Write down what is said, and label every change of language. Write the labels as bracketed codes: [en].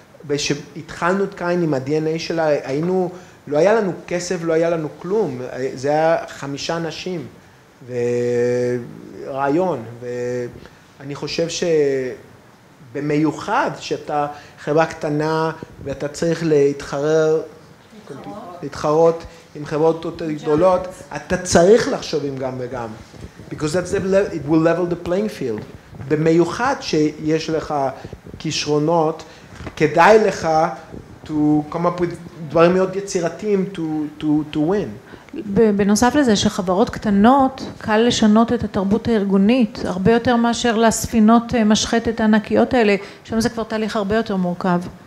[he] ושהתחלנו את kind עם ה-DNA שלה, היינו, לא היה לנו כסף, לא היה לנו כלום, זה היה חמישה אנשים, ורעיון, ואני חושב ש במיוחד שאתה חברה קטנה ואתה צריך להתחרות עם חברות יותר גדולות, אתה צריך לחשוב עם גם וגם. [en] Because that's it will level the playing field. [he] במיוחד שיש לך כישרונות, כדאי לך [en] to come up with [he] דברים מאוד יצירתיים [en] to win. [he] בנוסף לזה שחברות קטנות, קל לשנות את התרבות הארגונית, הרבה יותר מאשר לספינות משחטת הענקיות האלה, שם זה כבר תהליך הרבה יותר מורכב.